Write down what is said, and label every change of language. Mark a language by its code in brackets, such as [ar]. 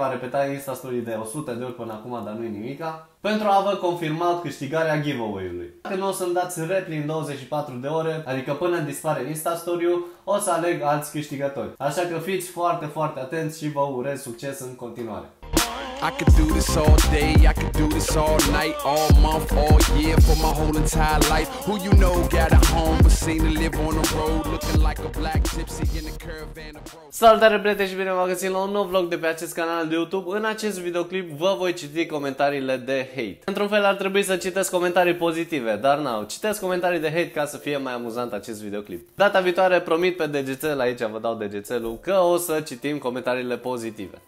[ro] A repetat Instastory de 100 de ori până acum, dar nu-i nimica. Pentru a vă confirma câștigarea giveaway-ului. Dacă nu o să-mi dați repli în 24 de ore, adică până dispare Instastory-ul, o să aleg alți câștigători. Așa că fiți foarte, foarte atenți și vă urez succes în continuare. [en] I could do this all day, I could do this all night, all month, all year, for my whole entire life. Who you know got a home, but seen to live on the road, looking like a black gypsy in a caravan of bro. [ro] Salutare, prieteni, și bine v-am găsit la un nou vlog de pe acest canal de YouTube. În acest videoclip vă voi citi comentariile de hate. Într-un fel ar trebui să citesc comentarii pozitive, dar nu, citesc comentarii de hate ca să fie mai amuzant acest videoclip. Data viitoare promit pe degețel, aici vă dau degețelul, că o să citim comentariile pozitive.